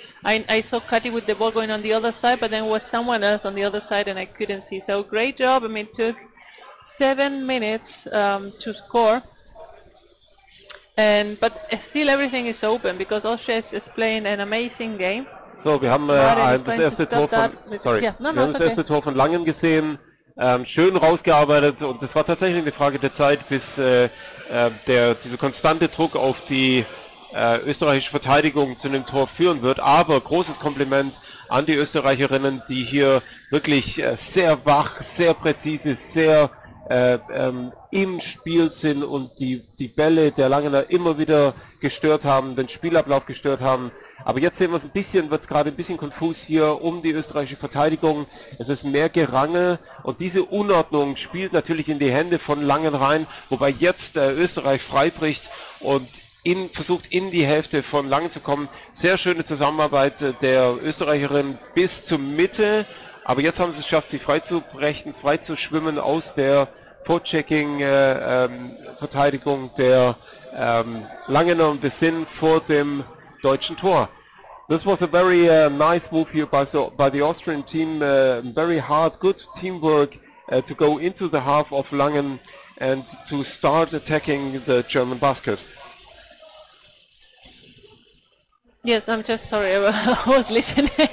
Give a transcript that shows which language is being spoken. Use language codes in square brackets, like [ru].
[en] I saw Kati with the ball going on the other side, but then it was someone else on the other side and I couldn't see. So great job. I mean, it took 7 minutes to score. But still everything is open because Austria is playing an amazing game. [de] So wir haben das erste Tor von Langen gesehen, schön rausgearbeitet und es war tatsächlich eine Frage der Zeit, bis dieser konstante Druck auf die österreichische Verteidigung zu einem Tor führen wird. Aber großes Kompliment an die Österreicherinnen, die hier wirklich sehr wach, sehr präzise, sehr im Spiel sind und die Bälle der Langener immer wieder gestört haben, den Spielablauf gestört haben. Aber jetzt sehen wir es ein bisschen, wird es gerade ein bisschen konfus hier um die österreichische Verteidigung. Es ist mehr Gerangel und diese Unordnung spielt natürlich in die Hände von Langen rein, wobei jetzt Österreich freibricht und versucht in die Hälfte von Langen zu kommen. Sehr schöne Zusammenarbeit der Österreicherin bis zur Mitte. Aber jetzt haben sie es geschafft, sich frei zu brechen, frei zu schwimmen aus der Vorchecking-Verteidigung der Langener und Wissin vor dem deutschen Tor. [en] This was a very nice move here by the Austrian team. Very hard, good teamwork to go into the half of Langen and to start attacking the German basket. Yes, I'm just sorry, I was listening.